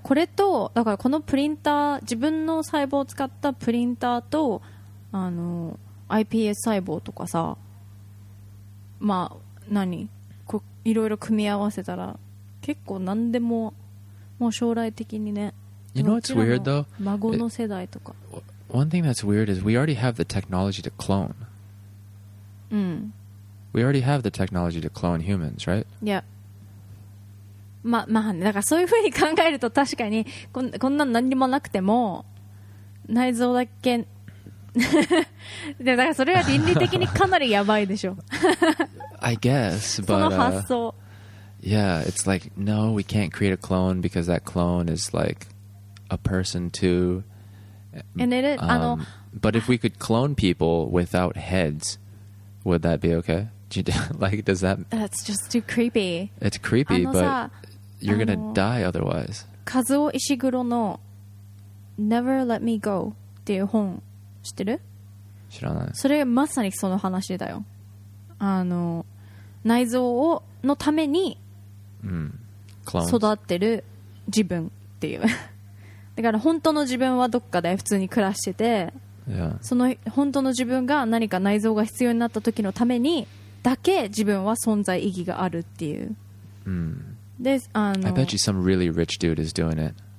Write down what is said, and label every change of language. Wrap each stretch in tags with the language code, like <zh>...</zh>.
<ja>これとだからこのプリンター、自分の細胞を使ったプリンターとあの。 iPS 細胞とかさ、まあ何こいろいろ組み合わせたら結構何でも、もう将来的にね。</ja> <en>You know what's weird though?</en> <ja>孫の世代とか。</ja> <en>One thing that's weird is we already have the technology to clone. We already have the technology to clone humans, right? Yeah.</en> <ja>まあね、だからそういうふうに考えると確かにこんな何にもなくても内臓だけだからそれは倫理的にかなりやばいでしょ。</ja> <en>I guess, but</en> <ja>その発想。</ja> <en>Yeah, it's like, no, we can't create a clone because that clone is like a person too. And it, あの、 but if we could clone people without heads, would that be okay? Like, does that? That's just too creepy. It's creepy, but you're gonna die otherwise.</en> <ja>Kazuo Ishiguro の Never Let Me Go っていう本。知ってる？知らない。それまさにその話だよ。あの内臓をのために育ってる自分っていう。だから本当の自分はどっかで普通に暮らしてて、その本当の自分が何か内臓が必要になった時のためにだけ自分は存在意義があるっていう。で、</ja> <en>I bet you some really rich dude is doing it.</en>